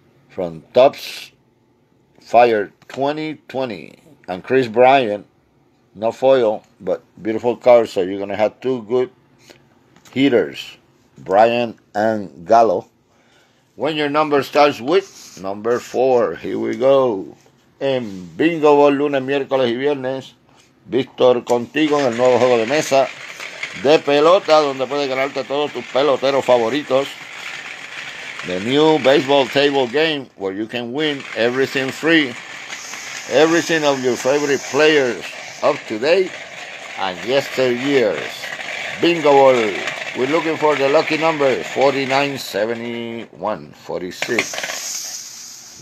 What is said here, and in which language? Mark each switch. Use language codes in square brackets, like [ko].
[en] From Topps Fire 2020. And Chris Bryant, no foil, but beautiful card. So you're going to have two good hitters, Bryant and Gallo. When your number starts with number 4, here we go. [es] En Vingoball, lunes, miércoles y viernes, Víctor contigo en el nuevo juego de mesa de pelota, donde puedes ganarte todos tus peloteros favoritos. [en] The new baseball table game, where you can win everything free. Everything of your favorite players of today and yesteryears. Vingoball, we're looking for the lucky number, 4971, 46.